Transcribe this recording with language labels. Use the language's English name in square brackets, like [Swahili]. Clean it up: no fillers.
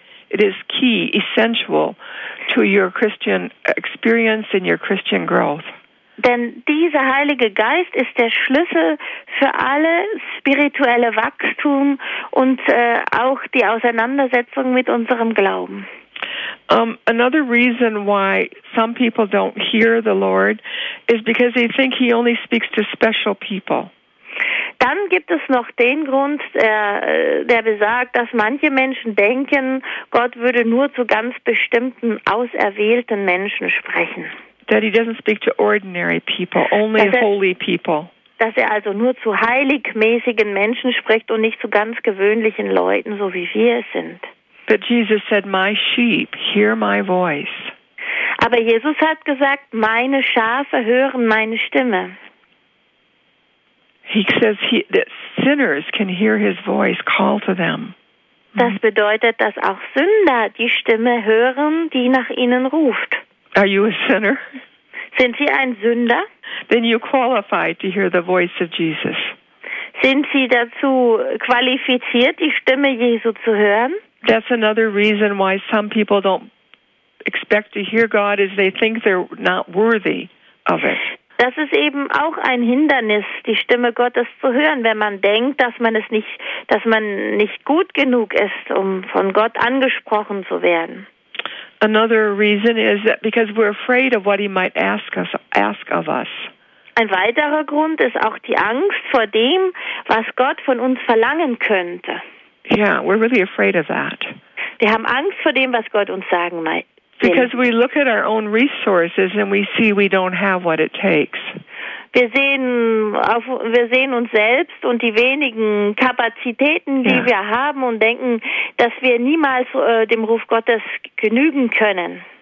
[English] It is key, essential to your Christian experience and your Christian growth. [German] Denn dieser Heilige Geist ist der Schlüssel für alle spirituelle Wachstum und auch die Auseinandersetzung mit unserem Glauben. [English] Another reason why some people don't hear the Lord is because they think he only speaks to special people. [German] Dann gibt es noch den Grund, der besagt, dass manche Menschen denken, Gott würde nur zu ganz bestimmten, auserwählten Menschen sprechen. [English] That he doesn't speak to ordinary people, only holy people. [German] Dass er also nur zu heiligmäßigen Menschen spricht und nicht zu ganz gewöhnlichen Leuten, so wie wir es sind. [English] But Jesus said, my sheep hear my voice. [German] Aber Jesus hat gesagt, meine Schafe hören meine Stimme. [English] He says that sinners can hear his voice call to them. [German] Das bedeutet, dass auch Sünder die Stimme hören, die nach ihnen ruft. [English] Are you a sinner? [German] Sind Sie ein Sünder? [English] Then you qualify to hear the voice of Jesus. [German] Sind Sie dazu qualifiziert, die Stimme Jesu zu hören? [English] That's another reason why some people don't expect to hear God is they think they're not worthy of it. [German] Das ist eben auch ein Hindernis, die Stimme Gottes zu hören, wenn man denkt, dass man nicht gut genug ist, um von Gott angesprochen zu werden. [English] Another reason is that because we're afraid of what he might ask of us. [German] Ein weiterer Grund ist auch die Angst vor dem, was Gott von uns verlangen könnte. [English] Yeah, we're really afraid of that. [German] Wir haben Angst vor dem, was Gott uns sagen will. [English] Because we look at our own resources and we see we don't have what it takes. [German] Wir sehen uns selbst und die wenigen Kapazitäten, die wir haben und denken, dass wir niemals dem Ruf Gottes genügen können.